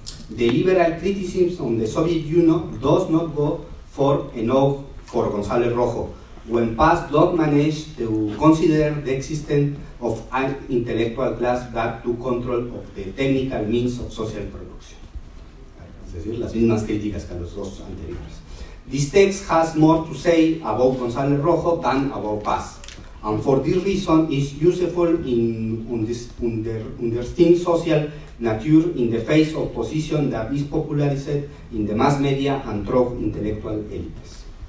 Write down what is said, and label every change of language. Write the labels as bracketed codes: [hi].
[en] The liberal criticism on the Soviet Union does not go far enough for González Rojo, when Paz don't manage to consider the existence of an intellectual class that took control of the technical means of social production. [es] Es decir, las mismas críticas que a los dos anteriores. [en] This text has more to say about González Rojo than about Paz, and for this reason is useful in understanding social nature in the face of position that is popularized in the mass media and through intellectual elites.